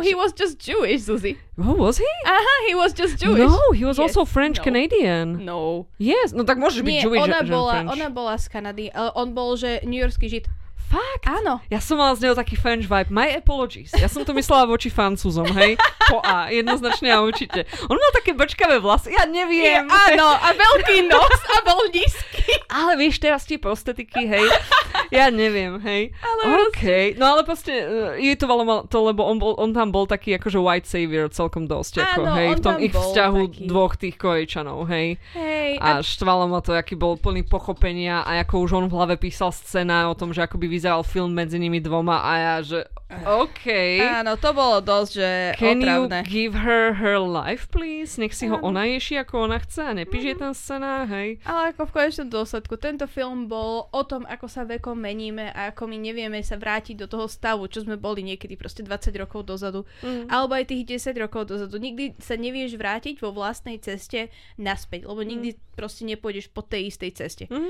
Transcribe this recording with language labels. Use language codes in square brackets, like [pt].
[en] No, he was just Jewish, Zuzi. Who was he? Aha, he was just Jewish. No, he was also French-Canadian. No. [sk] Yes, no tak môžeš byť Jewish, ona bola, [en] French. [sk] Ona bola z Kanady, ale on bol, že New Yorkský Žid. Fakt? Áno. Ja som mala z neho taký [en] French vibe. My apologies. [sk] Ja som to myslela voči Francúzom, hej? Po A, jednoznačne a určite. On mal také brčkavé vlasy, ja neviem. Je, áno, a veľký nos a bol nízky. Ale vieš, teraz tie prostetiky, hej? Ja neviem, hej? Ale okay. No ale proste, je to veľmi to, lebo on tam bol taký akože [en] white savior [sk] celkom dosť, áno, ako, hej? On v tom tam ich bol vzťahu taký. Dvoch tých Korejčanov, hej? Hej. A štvalo ma to, aký bol plný pochopenia a ako už on v hlave písal scénár o tom, že ako by vyzeral film medzi nimi dvoma a ja, že OK. Áno, to bolo dosť, že [en] can [sk] otravné. [en] Can you give her her life, please? [sk] Nech si ho ona ješi, ako ona chce a nepíže ten scénar, hej? Ale ako v konečnom dôsledku, tento film bol o tom, ako sa vekom meníme a ako my nevieme sa vrátiť do toho stavu, čo sme boli niekedy proste 20 rokov dozadu, alebo aj tých 10 rokov dozadu. Nikdy sa nevieš vrátiť vo vlastnej ceste naspäť, lebo nikdy proste nepôjdeš po tej istej ceste.